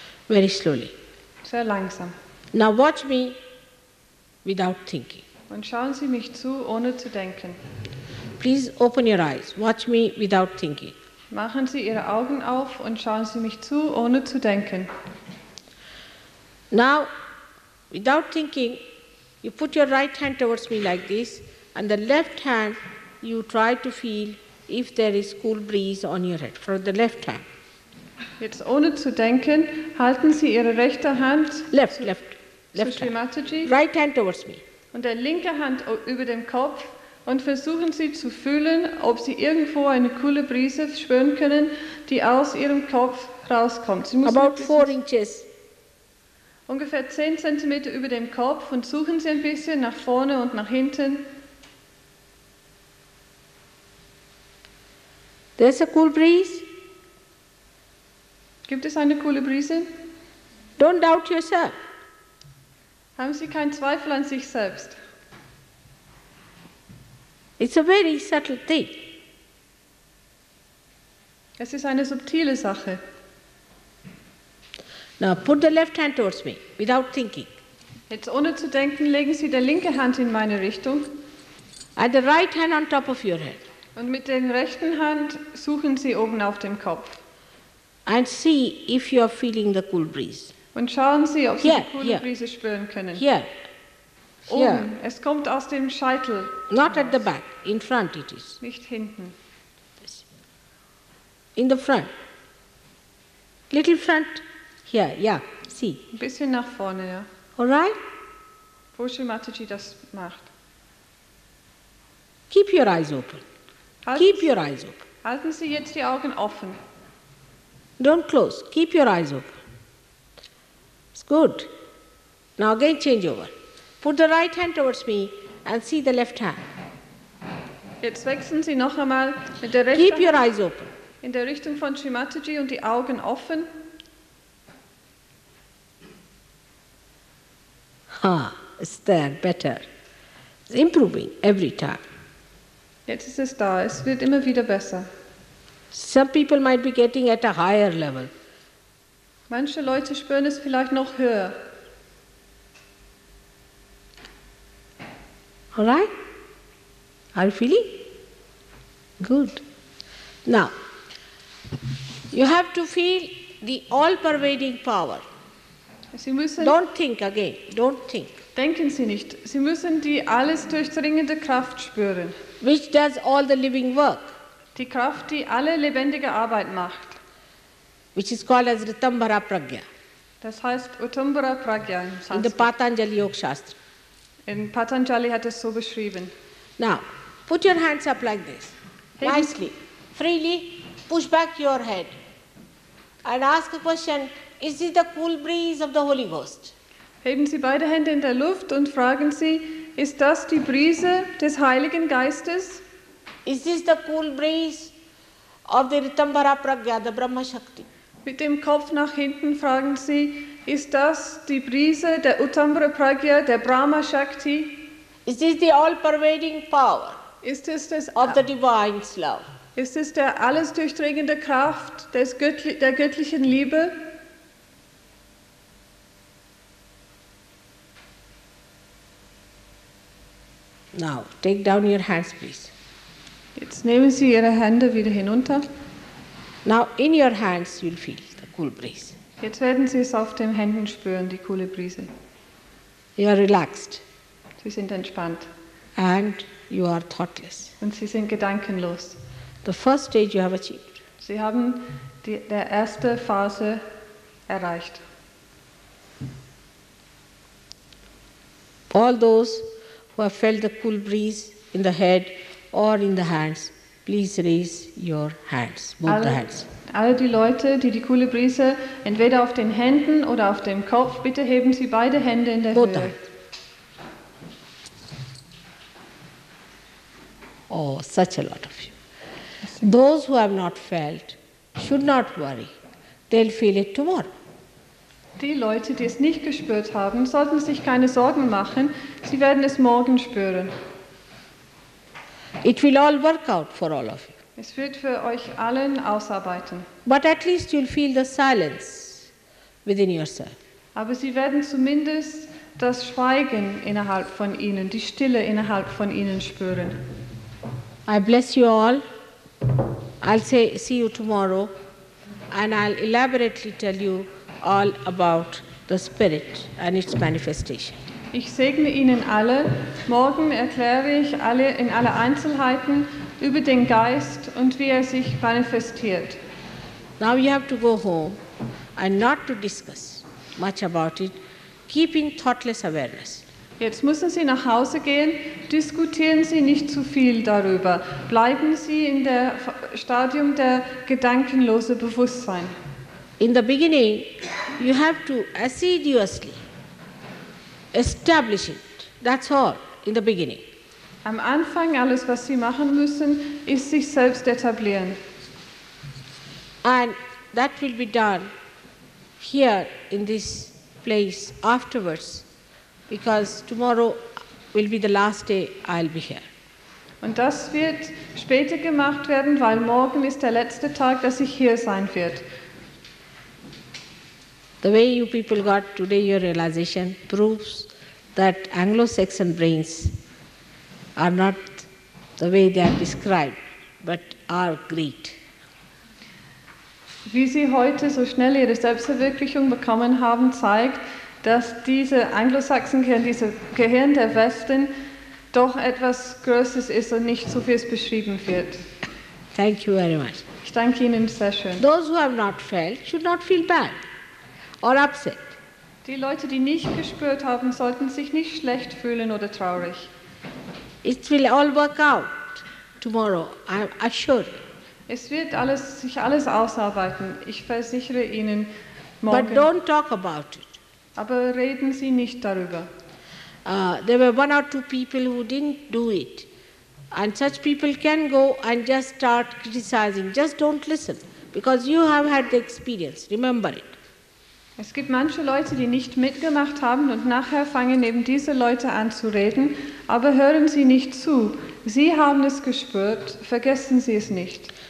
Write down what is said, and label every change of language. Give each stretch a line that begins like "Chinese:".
English: Very slowly.
German: Sehr langsam.
English: Now watch me without thinking.
German: Und schauen Sie mich zu, ohne zu denken.
English: Please open your eyes. Watch me without thinking.
German: Machen Sie Ihre Augen auf und schauen Sie mich zu, ohne zu denken.
English: Now, without thinking, you put your right hand towards me like this, and the left hand, you try to feel if there is cool breeze on your head, from the left hand.
German: Jetzt ohne zu denken, halten Sie Ihre rechte Hand.
English: Left
German: zu Srimataji,
English: right hand towards me.
German: Und der linke Hand über dem Kopf, und versuchen Sie zu fühlen, ob Sie irgendwo eine coole Brise spüren können, die aus Ihrem Kopf rauskommt. Sie müssen
English: about 4 inches.
German: Ungefähr 10 cm über dem Kopf und suchen Sie ein bisschen nach vorne und nach hinten.
English: There's a cool breeze.
German: Gibt es eine coole Brise?
English: Don't doubt yourself.
German: Haben Sie keinen Zweifel an sich selbst?
English: It's a very subtle thing.
German: Es ist eine subtile Sache.
English: Now put the left hand towards me, without thinking.
German: Jetzt ohne zu denken, legen Sie die linke Hand in meine Richtung.
English: And the right hand on top of your head.
German: Und mit der rechten Hand suchen Sie oben auf dem Kopf.
English: And see if you are feeling the cool breeze.
German: Und schauen Sie, ob Sie die coole Brise spüren können.
English: Here.
German: Oben. Es kommt aus dem Scheitel.
English: Not at the back, in front it is.
German: Nicht hinten.
English: In the front. Little front. Here, yeah, see.
German: Ein bisschen nach vorne, ja.
English: All right?
German: Wo Srimataji das macht.
English: Keep your eyes open.
German: Halten Sie jetzt die Augen offen.
English: Don't close. Keep your eyes open. It's good. Now again change over. Put the right hand towards me and see the left hand.
German: Jetzt wechseln Sie noch einmal mit der rechten
English: Hand. Keep your eyes open.
German: in der Richtung von Srimataji und die Augen offen.
English: Ha, it's there, better. It's improving every time.
German: Jetzt ist es da, es wird immer wieder besser.
English: Some people might be getting at a higher level.
German: Manche Leute spüren es vielleicht noch höher.
English: All right? Are you feeling? Good. Now, you have to feel the all-pervading power. Don't think again. Don't think.
German: Denken Sie nicht. Sie müssen die alles durchdringende Kraft spüren.
English: Which does all the living work.
German: Die Kraft, die alle lebendige Arbeit macht.
English: Which is called as Ritambara Pragya.
German: Das heißt Ritambara Pragya im Sanskrit.
English: In the Patanjali Yoga Shastra.
German: In Patanjali hat es so beschrieben.
English: Now, put your hands up like this. Wisely, freely, push back your head and ask a question, is this the cool breeze of the Holy Ghost?
German: Heben Sie beide Hände in der Luft und fragen Sie, ist das die Brise des Heiligen Geistes?
English: Is this the cool breeze of the Ritambara Pragya, the Brahma Shakti?
German: Mit dem Kopf nach hinten fragen Sie, ist das die Brise der Ritambara Pragya, der Brahma Shakti?
English: Is this the all-pervading power?
German: Ist es das,
English: of the divine love.
German: Ist es der alles durchdringende Kraft des der göttlichen Liebe?
English: Now, take down your hands, please.
German: Jetzt nehmen Sie Ihre Hände wieder hinunter.
English: Now, in your hands, you'll feel the cool breeze.
German: Jetzt werden Sie es auf den Händen spüren, die coole Brise.
English: You are relaxed.
German: Sie sind entspannt.
English: And you are thoughtless.
German: Und Sie sind gedankenlos.
English: The first stage you have achieved.
German: Sie haben die erste Phase erreicht.
English: All those who have felt the cool breeze in the head or in the hands, please raise your hands, both the hands.
German: Alle die Leute, die die coole Brise entweder auf den Händen oder auf dem Kopf, bitte heben Sie beide Hände in der
English: both
German: Höhe.
English: Hands. Oh, such a lot of you. Those who have not felt should not worry. They'll feel it tomorrow.
German: Die Leute, die es nicht gespürt haben, sollten sich keine Sorgen machen. Sie werden es morgen spüren.
English: It will all work out for all of you.
German: Es wird für euch allen ausarbeiten.
English: But at least you'll feel the silence within yourself.
German: Aber Sie werden zumindest das Schweigen innerhalb von Ihnen, die Stille innerhalb von Ihnen spüren.
English: I bless you all. I'll say see you tomorrow and I'll elaborately tell you all about the spirit and its manifestation.
German: Ich segne Ihnen alle. Morgen erkläre ich alle in alle Einzelheiten über den Geist und wie sich manifestiert.
English: Now you have to go home and not to discuss much about it. Keep in thoughtless awareness.
German: Jetzt müssen Sie nach Hause gehen, diskutieren Sie nicht zu viel darüber. Bleiben Sie in der Stadium der gedankenlosen Bewusstsein.
English: In the beginning, you have to assiduously establish it. That's all, in the beginning.
German: Am Anfang, alles was Sie machen müssen, ist sich selbst etablieren.
English: And that will be done here in this place afterwards. Because tomorrow will be the last day I'll be here.
German: Und das wird später gemacht werden, weil morgen ist der letzte Tag, dass ich hier sein wird.
English: The way you people got today your realization proves that Anglo-Saxon brains are not the way they are described, but are great.
German: Wie Sie heute so schnell Ihre Selbstverwirklichung bekommen haben, zeigt, dass diese Anglo-Sachsen-Gehirn, dieses Gehirn der Westen, doch etwas Größeres ist und nicht so viel beschrieben wird.
English: Thank you very much.
German: Ich danke Ihnen sehr schön.
English: Those who have not felt should not feel bad or upset.
German: Die Leute, die nicht gespürt haben, sollten sich nicht schlecht fühlen oder traurig.
English: It will all work out tomorrow, I'm assured.
German: Es wird sich alles ausarbeiten, ich versichere Ihnen morgen.
English: But don't talk about it.
German: Aber reden Sie nicht darüber.
English: There were one or two people who didn't do it And such people can go and just start criticizing. Just don't listen, because you have had the experience. Remember it.
German: Es gibt manche Leute, die nicht mitgemacht haben und nachher fangen eben diese Leute an zu reden, aber hören Sie nicht zu. Sie haben es gespürt, vergessen Sie es nicht.